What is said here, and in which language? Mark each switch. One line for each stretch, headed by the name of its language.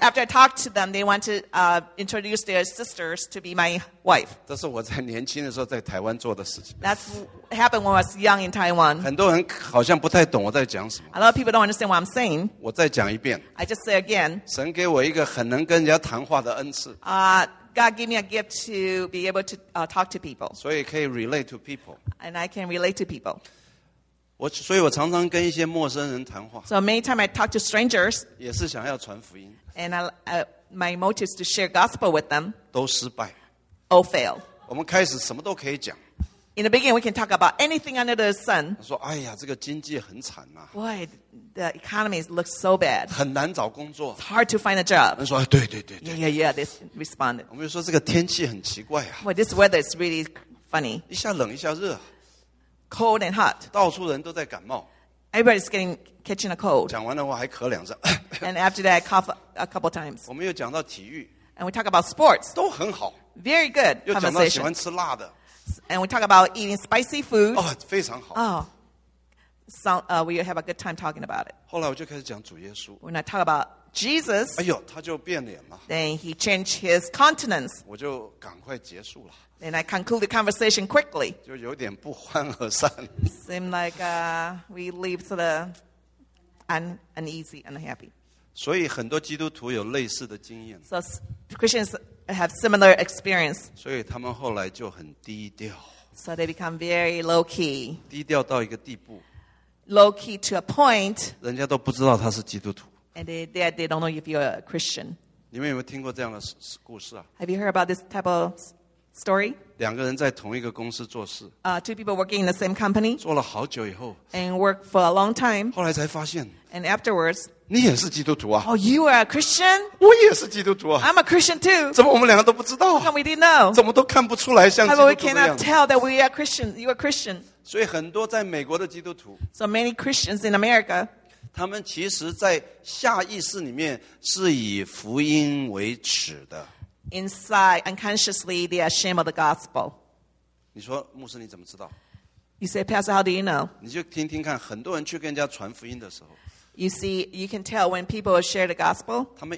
English: After I talked to them, they want to introduce their sisters to be my wife. That's what happened when I was young in Taiwan. A lot of people don't understand what I'm saying.
Chinese: 我再讲一遍,
English: I just say again.
Chinese: 神给我一个很能跟人家谈话的恩赐,
English: God gave me a gift to be able to talk to people.
Chinese: 所以可以
English: relate to people. And I can relate to people.
Chinese: 所以我常常跟一些陌生人谈话.
English: So many times I talk to strangers.
Chinese: 也是想要传福音.
English: And my motive is to share gospel with them.
Chinese: 都失败.
English: All fail.
Chinese: 我们开始什么都可以讲.
English: In the beginning, we can talk about anything under the sun.
Chinese: 说, 哎呀, 这个经济很惨啊.
English: Boy, the economy looks so bad.
Chinese: 很难找工作.
English: It's hard to find a job.
Chinese: 说, 对对对对.
English: Yeah, they responded.
Chinese: 我们就说, 这个天气很奇怪啊.
English: Boy, this weather is really funny.
Chinese: 一下冷一下热.
English: Cold and hot.
Chinese: 到处人都在感冒.
English: Everybody's catching a cold.
Chinese: 讲完的话还咳两声.
English: And after that, I cough a couple times.
Chinese: 我们又讲到体育.
English: And we talk about sports.
Chinese: 都很好.
English: Very good conversation.
Chinese: 又讲到喜欢吃辣的.
English: And we talk about eating spicy food.
Chinese: Oh, 非常好.
English: Oh, we have a good time talking about it.
Chinese: 后来我就开始讲主耶稣.
English: When I talk about Jesus,
Chinese: 哎呦, 他就变脸了.
English: Then he changed his countenance.
Chinese: 我就赶快结束了.
English: And I conclude the conversation quickly.
Chinese: 就有点不欢而散.
English: Seemed like we leave to the uneasy, unhappy.
Chinese: 所以很多基督徒有类似的经验.
English: So Christians have similar experience.
Chinese: 所以他们后来就很低调。
English: So they become very low-key.
Chinese: 低调到一个地步。
English: Low-key to a point.
Chinese: 人家都不知道他是基督徒。
English: And they don't know if you're a Christian.
Chinese: 你们有没有听过这样的故事啊?
English: Have you heard about this type of story?
Chinese: 两个人在同一个公司做事。
English: Two people working in the same company.
Chinese: 做了好久以后。
English: And worked for a long time.
Chinese: 后来才发现。
English: And afterwards,
Chinese: 你也是基督徒啊?
English: Oh, you are a Christian?
Chinese: 我也是基督徒啊?
English: I'm a Christian too.
Chinese: 怎么我们两个都不知道?
English: And we didn't know.
Chinese: 怎么都看不出来像基督徒的样子?
English: But we cannot tell that we are Christian. You are Christian.
Chinese: 所以很多在美国的基督徒,
English: so many Christians in America,
Chinese: 他们其实在下意识里面是以福音为耻的。
English: Inside, unconsciously, they are ashamed of the gospel.
Chinese: 你说,牧师你怎么知道?
English: You say, Pastor, how do you know?
Chinese: 你就听听看, 很多人去跟人家传福音的时候,
English: You see, you can tell when people share the gospel.